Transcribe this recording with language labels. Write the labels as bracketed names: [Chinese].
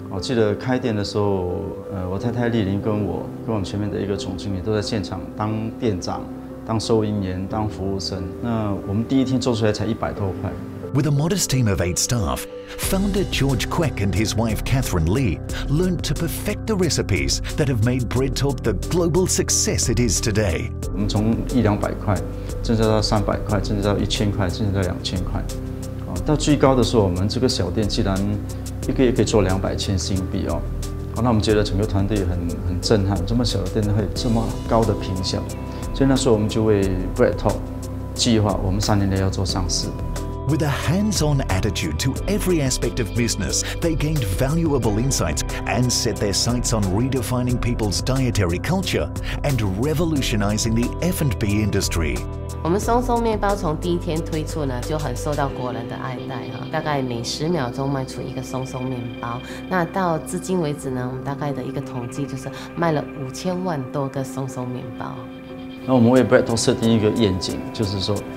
[Chinese] 我记得开店的时候，我太太丽玲跟我们前面的一个总经理都在现场当店长、当收银员、当服务生。那我们第一天做出来才100多块。 [English] With a modest team of 8 staff, founder George Quek and his wife Catherine Lee learned to perfect the recipes that have made breadtalk the global success it is today. We went from 100-200 to 300, to 1,000, to 2,000. At the highest level, our small shop can make 200,000 RMB. We felt that the whole team was very shocked. Such a small shop can have such a high rating. So that time, we planned breadtalk, planned our 3 years to launch. With a hands-on attitude to every aspect of business, they gained valuable insights and set their sights on redefining people's dietary culture and revolutionizing the F&B industry. [Chinese] 我们松松面包从第一天推出呢，就很受到国人的爱戴哈。大概每10秒钟卖出一个松松面包。那到至今为止呢，我们大概的一个统计就是卖了5000万多个松松面包。那我们为 breadtalk 设定一个愿景，就是说。